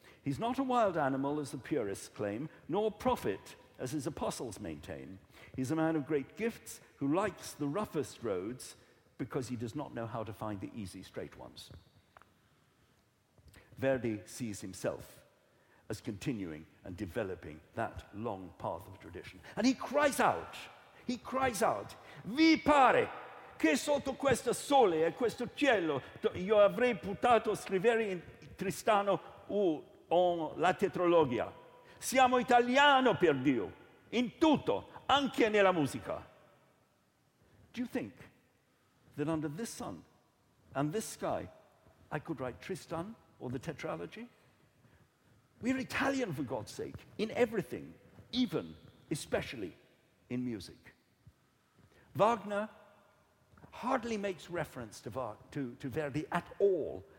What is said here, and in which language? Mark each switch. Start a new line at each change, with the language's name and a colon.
English: He's not a wild animal, as the purists claim, nor a prophet, as his apostles maintain. He's a man of great gifts who likes the roughest roads because he does not know how to find the easy, straight ones. Verdi sees himself as continuing and developing that long path of tradition. And he cries out,
Italian: vi pare che sotto questo sole e questo cielo io avrei potuto scrivere in Tristano o in la tetralogia. Siamo italiano, per Dio, in tutto, anche nella musica.
English: Do you think that under this sun and this sky, I could write Tristan or the Tetralogy? We're Italian, for God's sake, in everything, even, especially, in music. Wagner hardly makes reference to Verdi at all.